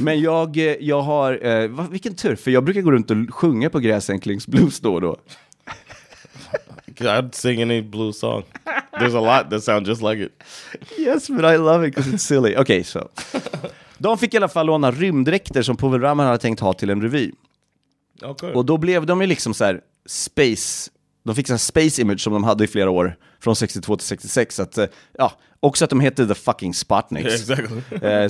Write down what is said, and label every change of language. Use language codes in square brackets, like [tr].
[sv] men jag har, vilken tur, för jag brukar gå runt och sjunga på Gräsänklings blues då. [en] I'd sing any blue song. There's a lot that sound just like it. Yes, but I love it because it's silly. Okay, so. [sv] De fick i alla fall låna rymddräkter som Povel Ramel hade tänkt ha till en revy. [en] Okay. [sv] Och då blev de ju liksom så här space. De fick så här [en] space image [sv] som de hade i flera år. Från 62 till 66. Att, ja, också att de hette The Fucking Sputniks. [en] Yeah, exactly.